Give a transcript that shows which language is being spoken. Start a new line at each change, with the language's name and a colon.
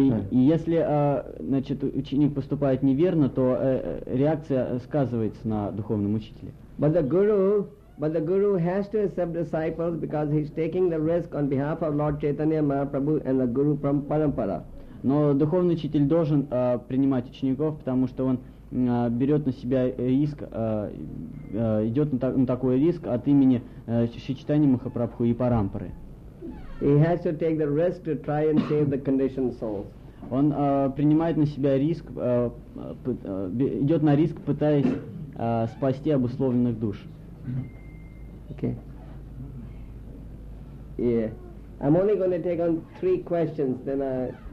Russian: Если значит ученик поступает неверно, то реакция сказывается на духовном учителе.
English: But the guru has to accept disciples because he's taking the risk on behalf of Lord Chaitanya Mahaprabhu and the guru from parampara.
Russian: Но духовный учитель должен принимать учеников, потому что он берет на себя риск, идет на такой риск от имени Шри Чайтаньи Махапрабху и парампары.
English: He has to take the risk to try and save the conditioned souls.
Russian: Он принимает на себя риск, идет на риск, пытаясь спасти обусловленных душ.
English: Okay. Yeah. I'm only going to take on three questions, then I...